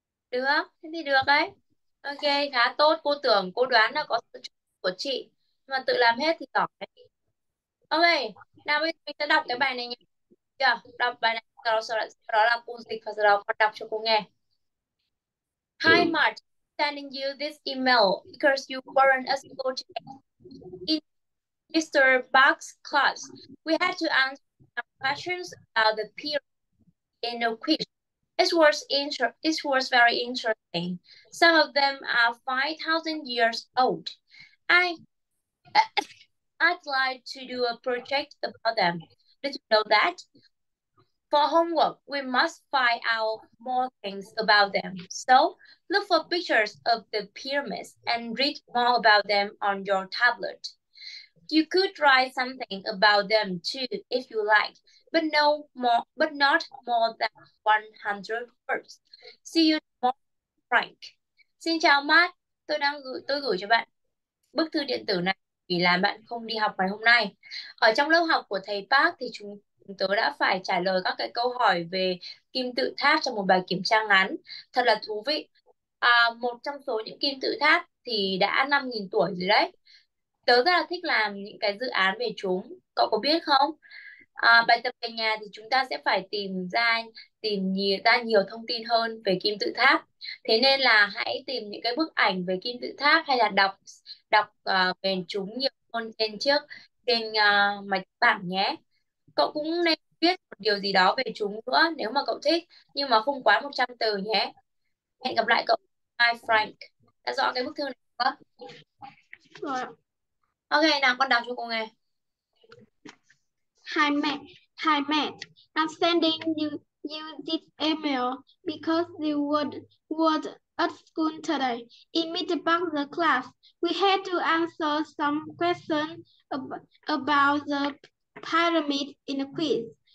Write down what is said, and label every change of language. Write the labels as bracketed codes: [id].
[vi] Được, thế thì được đấy. Ok, khá tốt. Cô tưởng, cô đoán là có sự của chị. Nhưng mà tự làm hết thì giỏi đấy. Ok, nào bây giờ mình sẽ đọc cái bài này nhé. Đọc bài này. Sau đó là cô dịch và sau đó con đọc cho cô nghe. [en] Hi Mark, sending you this email because you weren't able to answer. In Mr. Bach's class, we had to answer some questions about the period in a quiz. It was very interesting. Some of them are 5,000 years old. I'd like to do a project about them. Did you know that? For homework, we must find out more things about them. So, look for pictures of the pyramids and read more about them on your tablet. You could write something about them too, if you like, but no more, but not more than 100 words. See you tomorrow, Frank. [vi] Xin chào Matt, tôi gửi cho bạn bức thư điện tử này vì là bạn không đi học ngày hôm nay. Ở trong lớp học của thầy Park thì chúng tớ đã phải trả lời các cái câu hỏi về kim tự tháp trong một bài kiểm tra ngắn. Thật là thú vị. À, một trong số những kim tự tháp thì đã 5.000 tuổi rồi đấy. Tớ rất là thích làm những cái dự án về chúng. Cậu có biết không? À, bài tập về nhà thì chúng ta sẽ phải tìm ra nhiều thông tin hơn về kim tự tháp. Thế nên là hãy tìm những cái bức ảnh về kim tự tháp hay là đọc về chúng nhiều hơn trên mạch bảng nhé. Cậu cũng nên viết một điều gì đó về chúng nữa nếu mà cậu thích, nhưng mà không quá 100 từ nhé. Hẹn gặp lại cậu. [en] Hi [vi] Frank. Đã rõ cái bức thư này không? Rồi. Ok, nào con đọc cho cô nghe. [en] Hi Matt, I'm sending you this email because you were at school today. In meet about the class, we had to answer some questions about the pyramid in the quiz.